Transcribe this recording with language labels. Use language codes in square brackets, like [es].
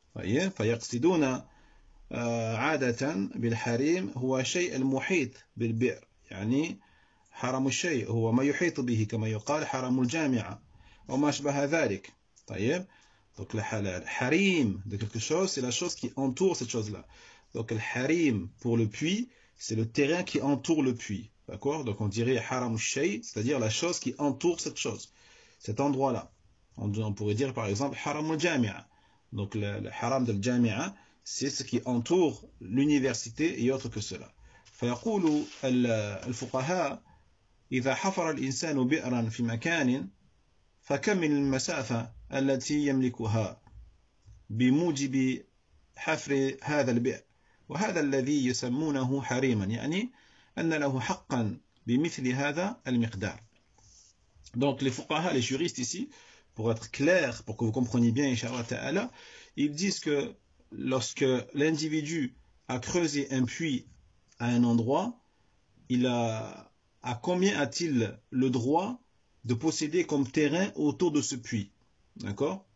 [fr] Voyez, [ar] فيقصدون عادة بالحريم هو شيء المحيط بالبئر. يعني حرم الشيء هو ما يحيط به، كما يقال حرم الجامعة أو ما أشبه ذلك. طيب. [fr] Donc le halal, harim de quelque chose, c'est la chose qui entoure cette chose-là. Donc le harim pour le puits, c'est le terrain qui entoure le puits. D'accord? Donc on dirait haram shay, c'est-à-dire la chose qui entoure cette chose, cet endroit-là. On pourrait dire par exemple haram al-jami'a. Donc le haram de al-jami'a, c'est ce qui entoure l'université et autre que cela. [ar] فيقول الفقهاء إذا حفر الإنسان بئرا في مكان فكم من المسافة التي يملكها بموجب حفر هذا البئر، وهذا الذي يسمونه حريما، يعني أن له حقا بمثل هذا المقدار. [fr] Donc les fuqaha, les juristes ici, pour être clair, pour que vous compreniez bien, inshallah ta'ala, ils disent que lorsque l'individu a creusé un puits à un endroit, à combien a-t-il le droit de posséder comme terrain autour de ce puits? D'accord?